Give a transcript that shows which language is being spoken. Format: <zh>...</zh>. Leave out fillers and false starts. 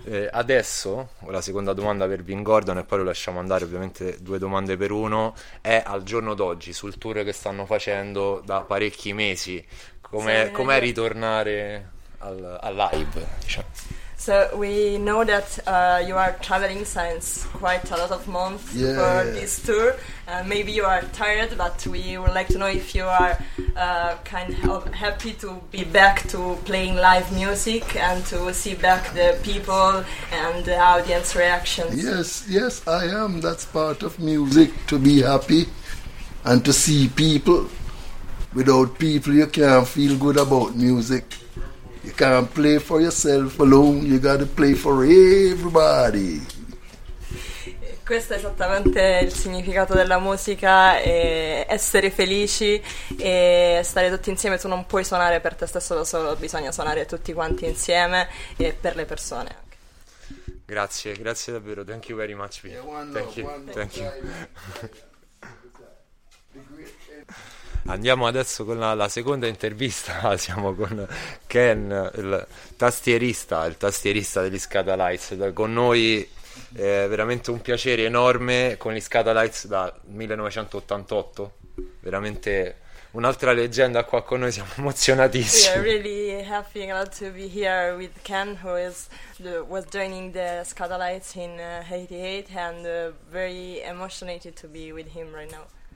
<it>Adesso, la seconda domanda per Vin Gordon e poi lo lasciamo andare, ovviamente due domande per uno, è al giorno d'oggi, sul tour che stanno facendo da parecchi mesi, com'è ritornare al live, diciamo?</it> <en>So we know that you are traveling since quite a lot of months for this tour. Maybe you are tired, but we would like to know if you are kind of happy to be back to playing live music and to see back the people and the audience reactions. Yes, I am. That's part of music, to be happy and to see people. Without people, you can't feel good about music. You can't play for yourself alone, you gotta play for everybody.</en> <it>Questo è esattamente il significato della musica, e essere felici e stare tutti insieme. Tu non puoi suonare per te stesso da solo, bisogna suonare tutti quanti insieme e per le persone. Grazie davvero.</it> <en>Thank you very much, Vin. Thank you.</en> <it>Andiamo adesso con la seconda intervista. Siamo con Ken, il tastierista degli Scatalites, con noi. È veramente un piacere enorme, con gli Scatalites da 1988, veramente un'altra leggenda qua con noi, siamo emozionatissimi.</it> <en>We are really happy and glad to be here with Ken, who was joining the Scatalites in 88, and very emotionated to be with him right now.</en>